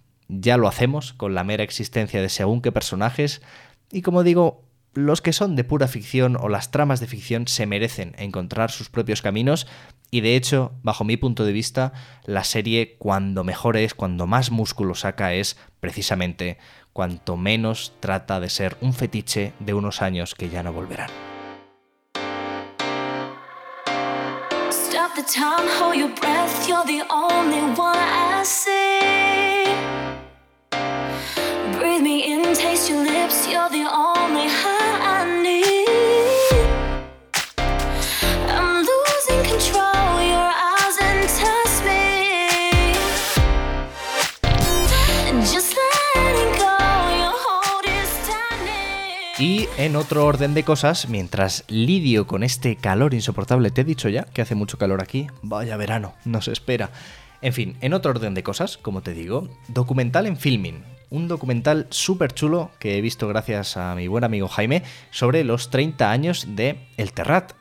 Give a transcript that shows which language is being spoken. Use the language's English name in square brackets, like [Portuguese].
[Spanish] ya lo hacemos con la mera existencia de según qué personajes, y como digo, los que son de pura ficción o las tramas de ficción se merecen encontrar sus propios caminos, y de hecho, bajo mi punto de vista, la serie cuando mejor es, cuando más músculo saca, es precisamente cuanto menos trata de ser un fetiche de unos años que ya no volverán. [English] Stop the time, hold your breath, you're the only one I see. Breathe me in, taste your lips, you're the only high I need. I'm losing control, your eyes entice me. Just letting go, your hold is tiny. [Spanish] Y en otro orden de cosas, mientras lidio con este calor insoportable, te he dicho ya que hace mucho calor aquí, vaya verano, nos espera. En fin, en otro orden de cosas, como te digo, documental en Filmin, un documental súper chulo que he visto gracias a mi buen amigo Jaime sobre los 30 años de El Terrat.